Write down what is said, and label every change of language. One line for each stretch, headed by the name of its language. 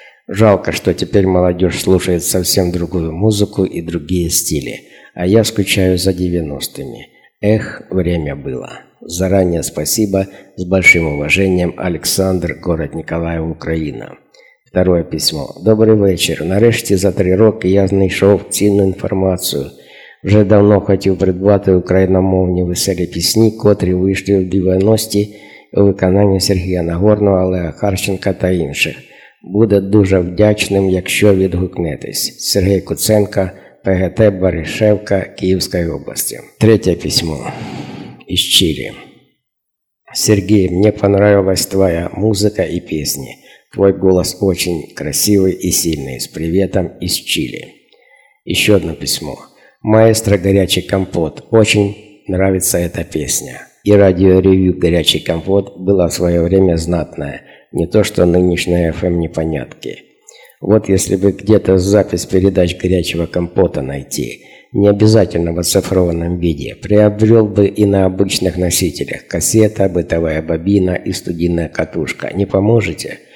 Russian: Жалко, что теперь молодежь слушает совсем другую музыку и другие стили. А я скучаю за 90-ми. Эх, время было. Заранее спасибо. С большим уважением, Александр, город Николаев, Украина. Второе письмо. Добрый вечер.
Ukrainian: Нарежьте за 3 роки, я знайшов цінну інформацію. Вже давно хотів придбати україномовні веселі пісні, котрі вийшли в 90-ті у виконанні Сергія Нагорного, Олега Харченка та інших. Буде дуже вдячним, якщо відгукнетесь. Сергій Куценко, ПГТ Баришевка, Київської області. Третє письмо із Чилі. Сергій, мені понравилась твоя музика і пісні. Твій голос дуже красивий і сильний. З привітом із Чилі. Іще одне письмо.
Russian: Маэстро «Горячий компот», очень нравится эта песня. И радиоревью «Горячий компот» было в свое время знатное, не то что нынешние FM-непонятки. Вот если бы где-то запись передач «Горячего компота» найти, не обязательно в оцифрованном виде, приобрел бы и на обычных носителях кассета, бытовая бобина и студийная катушка. Не поможете?